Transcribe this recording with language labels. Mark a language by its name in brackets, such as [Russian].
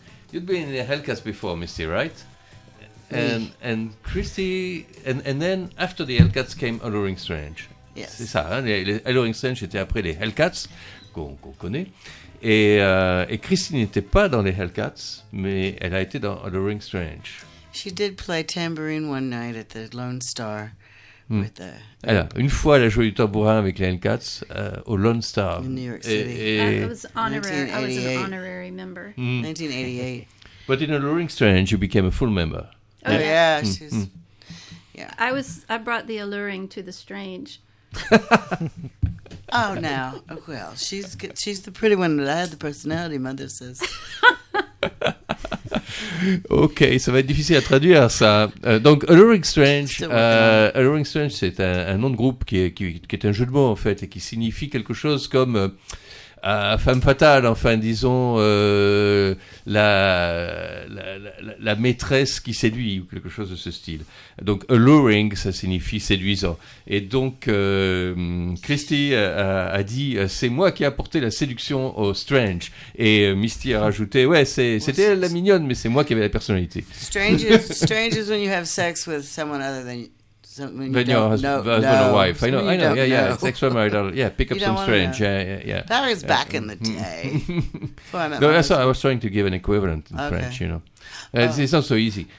[English] You'd been in the Hellcats before, Misty, right? And Christy, and then after the Hellcats came Alluring Strange. Yes. [French] C'est ça, hein? Les Alluring Strange était après les Hellcats. Qu'on connaît. Et Christine n'était pas dans les Hellcats, mais elle a été dans The Ring Strange. [English] She did play tambourine one night at the Lone Star. Mm. With the, [French] elle a, une fois, elle a joué du tambourin avec les Hellcats au Lone Star. [English] In New York City. I was an honorary member. Mm. 1988. But in The Ring Strange, you became a full member. Oh, yeah. Yeah, she's. Yeah. I brought the alluring to the strange. Oh, now, well, she's the pretty one that I had the personality, Mother says. [French] Ok, ça va être difficile à traduire, ça. Donc, Alluring Strange, Alluring Strange, c'est un nom de groupe qui est un jeu de mots, en fait, et qui signifie quelque chose comme femme fatale, enfin, disons, la maîtresse qui séduit, ou quelque chose de ce style. Donc, alluring, ça signifie séduisant. Et donc, Christy a dit, c'est moi qui ai apporté la séduction au Strange. Et Misty a rajouté, ouais, c'était elle la mignonne, mais c'est moi qui avais la personnalité. [English] Strange is when you have sex with someone other than you. Then your husband or wife. I know. Yeah. Sexual marriage. Yeah. Pick up some strange. That was back in the day. No, I was trying to give an equivalent in French, you know. It's not so easy.